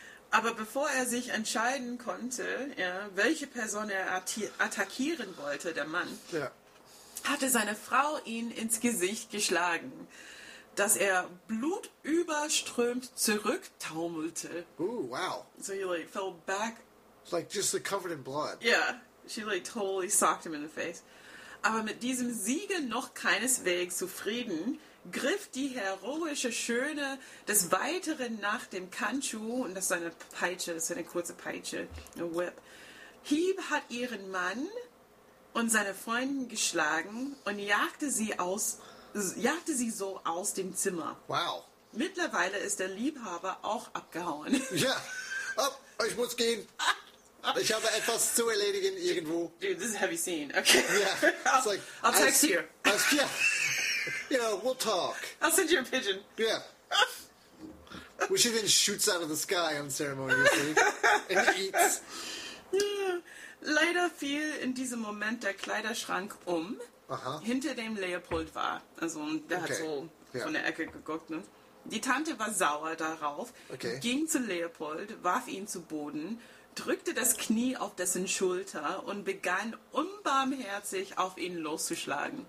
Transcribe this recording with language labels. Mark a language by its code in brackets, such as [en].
[de] Aber bevor er sich entscheiden konnte, ja, welche Person er attackieren wollte, der Mann, ja, hatte seine Frau ihn ins Gesicht geschlagen, dass er blutüberströmt zurücktaumelte. [en] Ooh, wow. So he like fell back. Like just like covered in blood. Yeah, she like totally socked him in the face. [de] Aber mit diesem Siege noch keineswegs zufrieden, griff die heroische Schöne des Weiteren nach dem Kanchu, und das ist eine Peitsche, das ist eine kurze Peitsche, eine Whip. Hieb hat ihren Mann und seine Freundin geschlagen und jagte sie so aus dem Zimmer. [en] Wow. [de] Mittlerweile ist der Liebhaber auch abgehauen. Ja, oh, ich muss gehen. Ich habe etwas zu erledigen irgendwo. [en] Dude, this is a heavy scene. Okay. Yeah. I'll text you. Yeah. You know, we'll talk. I'll send you a pigeon. Yeah. Which even shoots out of the sky unceremoniously. And eats. [de] Leider fiel in diesem Moment der Kleiderschrank um, aha, hinter dem Leopold war. Also der okay hat so von der Ecke geguckt. Ne? Die Tante war sauer darauf, okay, ging zu Leopold, warf ihn zu Boden, drückte das Knie auf dessen Schulter und begann unbarmherzig auf ihn loszuschlagen.